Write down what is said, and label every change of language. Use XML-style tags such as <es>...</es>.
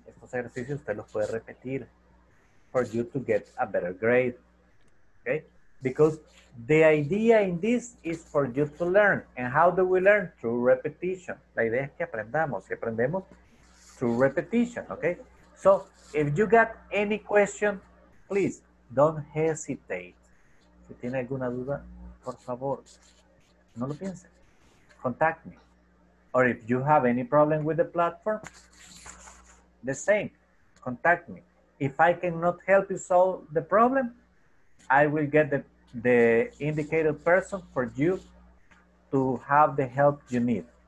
<es>Estos ejercicios usted los puede repetir</es> <en>for you to get a better grade. Okay? Because the idea in this is for you to learn. And how do we learn? Through repetition.</en> <es>La idea es que aprendamos. Que aprendemos</es> <en>through repetition. Okay? So, if you got any question, please, don't hesitate.</en> <es>Si tiene alguna duda, por favor, no lo piense.</es> <en>Contact me. Or if you have any problem with the platform, the same. Contact me. If I cannot help you solve the problem, I will get the indicated person for you to have the help you need.</en>